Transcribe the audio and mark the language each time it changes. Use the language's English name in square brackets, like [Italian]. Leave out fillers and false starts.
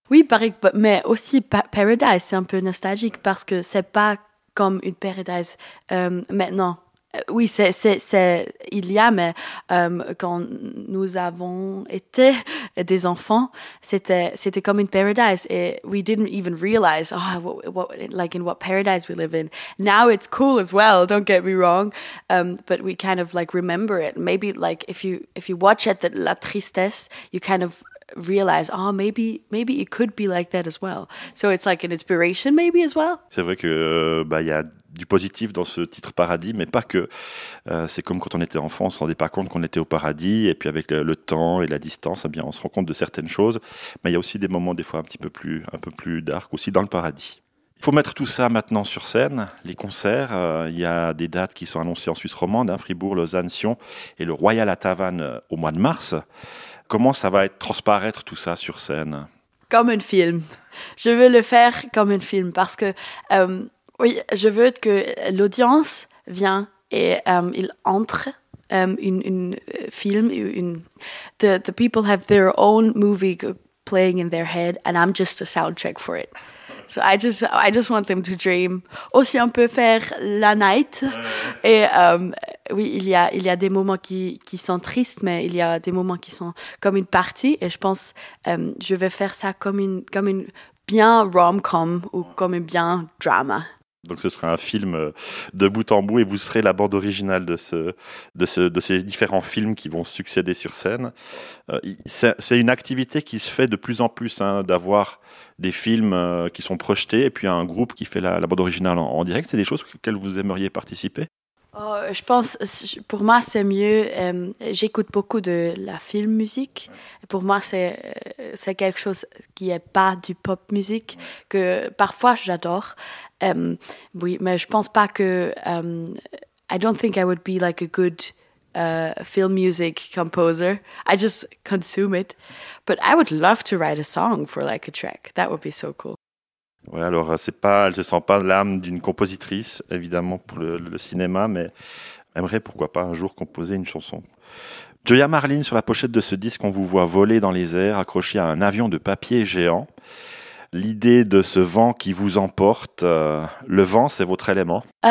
[French] Oui, pareil, mais aussi Paradise, c'est un peu nostalgique parce que c'est pas comme une Paradise maintenant. Oui, c'est il y a, mais quand nous avons été des enfants, c'était comme une paradise. [English] Et we didn't even realize what paradise we live in. Now it's cool as well. Don't get me wrong, but we kind of like remember it. Maybe like if you watch it, [French] la tristesse, [English] you kind of realize, oh, maybe it could be like that as well. So it's like an inspiration maybe as well. [French] C'est vrai que il y a du positif dans ce titre Paradis, mais pas que. C'est comme quand on était enfant, on ne se rendait pas compte qu'on était au paradis, et puis avec le temps et la distance, eh bien, on se rend compte de certaines choses, mais il y a aussi des moments des fois un peu plus dark aussi dans le paradis. Il faut mettre tout ça maintenant sur scène, les concerts, il y a des dates qui sont annoncées en Suisse romande, hein, Fribourg, Lausanne, Sion et le Royal à Tavannes au mois de mars. Comment ça va transparaître tout ça sur scène ? Comme un film. Je veux le faire comme un film parce que oui, je veux que l'audience vient et il entre une film. [English] The people have their own movie playing in their head and I'm just a soundtrack for it. So I just want them to dream. [French] Aussi, on peut faire la night. Et oui, il y a des moments qui sont tristes, mais il y a des moments qui sont comme une partie. Et je pense je vais faire ça comme une bien rom-com ou comme une bien drama. Donc ce sera un film de bout en bout et vous serez la bande originale de ces différents films qui vont succéder sur scène. C'est une activité qui se fait de plus en plus, hein, d'avoir des films qui sont projetés et puis un groupe qui fait la bande originale en direct. C'est des choses auxquelles vous aimeriez participer ? Oh, je pense, pour moi, c'est mieux. J'écoute beaucoup de la film musique. Pour moi, c'est quelque chose qui n'est pas du pop musique, que parfois j'adore. Oui, mais je pense pas que. [English] I don't think I would be like a good film music composer. I just consume it. But I would love to write a song for like a track. That would be so cool. [French] Ouais, alors c'est pas, elle se sent pas l'âme d'une compositrice, évidemment, pour le cinéma, mais aimerait pourquoi pas un jour composer une chanson. Joya Marlin, sur la pochette de ce disque, on vous voit voler dans les airs, accroché à un avion de papier géant. L'idée de ce vent qui vous emporte, le vent, c'est votre élément?